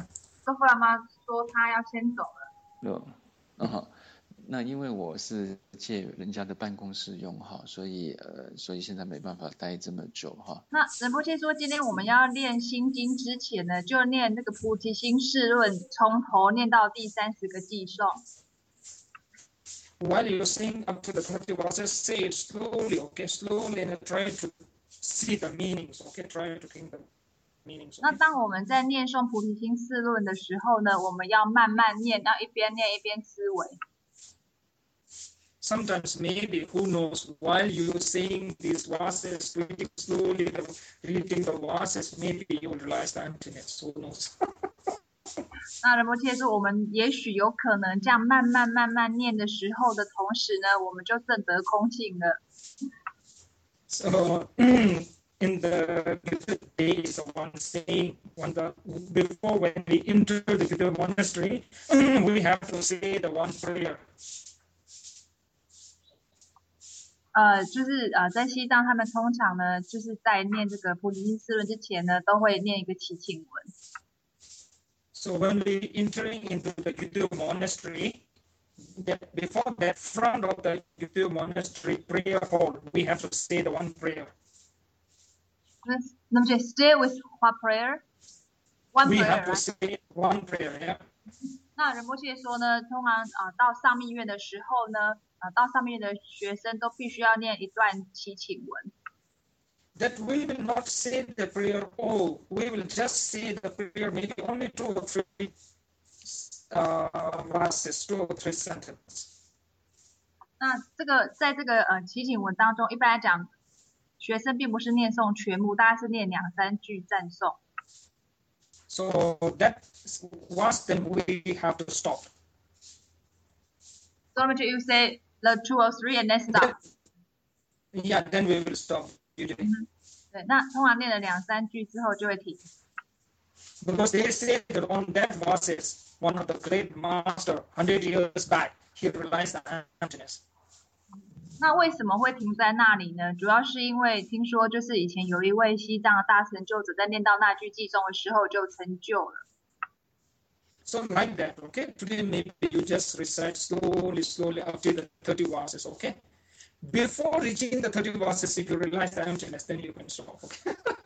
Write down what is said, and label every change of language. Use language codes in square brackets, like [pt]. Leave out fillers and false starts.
[zh] 师傅他妈说他要先走了。那因为我是借人家的办公室用哈，所以现在没办法待这么久哈。那仁波切说，今天我们要念心经之前呢，就念那个菩提心誓论，从头念到第三十个偈颂。 [en] While you sing up to the 30 verses, say it slowly, okay? Slowly, and try to see the meanings, okay? Try to think the meanings. [zh] 那当我们在念诵菩提心誓论的时候呢，我们要慢慢念，要一边念一边思维。 [en] Sometimes maybe who knows while you saying these verses, reading slowly, reading the verses, maybe you realize the emptiness. Who knows? [zh] 那仁波切说，我们也许有可能这样慢慢慢慢念的时候的同时呢，我们就证得空性了。 [en] So in the days of one saying, when the before when we enter the monastery, we have to say the one prayer. 就是在西藏，他们通常呢，就是在念这个菩提心誓论之前呢，都会念一个祈请文。 So when we entering into the Yudhu monastery, before that front of the Yudhu monastery prayer hall, we have to say the one prayer. Let me just stay with what prayer? One prayer. We have to say one prayer. Yeah. [zh] 那仁波切说呢，通常到上密院的时候呢。到上面的学生都必须要念一段祈请文。 [en] That we will not say the prayer all, we will just say the prayer maybe only two or three verses, two or three sentences. [zh] 那这个在这个祈请文当中，一般来讲，学生并不是念诵全部，大概是念两三句赞颂。 [en] So that was then we have to stop. So what you say? The two or three and then stop. Yeah, then we will stop. Usually. [zh] 对，那通常念了两三句之后就会停。 [en] Because they said that on that verses, one of the great master, 100 years back, he realized the emptiness. [zh] 那为什么会停在那里呢？主要是因为听说，就是以前有一位西藏大成就者在念到那句偈颂的时候就成就了。 [en] So like that, okay? Today maybe you just recite slowly, slowly up to the 30 verses, okay? Before reaching the 30 verses, if you realize the emptiness, then you can stop, okay?